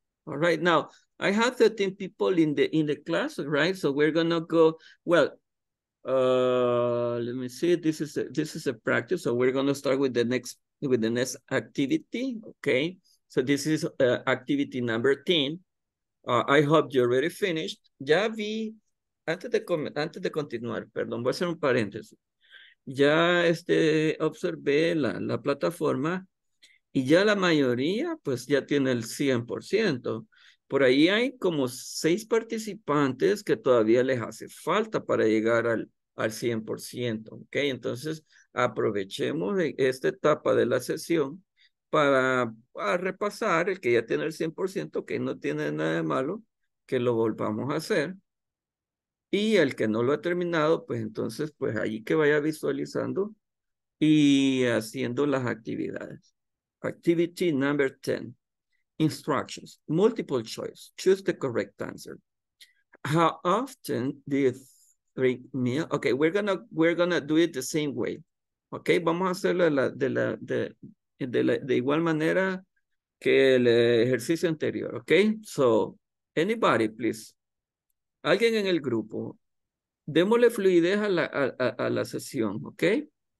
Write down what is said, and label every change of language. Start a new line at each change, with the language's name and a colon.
English: All right, now, I have 13 people in the class, right? So we're gonna go, well, let me see, this is a practice. So we're gonna start with the next activity, okay? So this is activity number 10. I hope you already finished.
Spanish: Ya vi, antes de continuar, perdón, voy a hacer un paréntesis. Ya observé la plataforma y ya la mayoría, pues ya tiene el 100%. Por ahí hay como 6 participantes que todavía les hace falta para llegar al 100%, okay? Entonces aprovechemos esta etapa de la sesión para repasar. El que ya tiene el 100%, que no tiene nada de malo, que lo volvamos a hacer. Y el que no lo ha terminado, pues entonces, pues allí que vaya visualizando y haciendo las actividades.
English: Activity number 10, instructions, multiple choice, choose the correct answer. How often do you drink milk? Okay, we're gonna do it the same way.
Spanish: Okay, vamos a hacerlo de igual manera que el ejercicio anterior, okay?
English: So, anybody, please.
Spanish: alguien en el grupo, démosle fluidez a la sesión, ¿ok?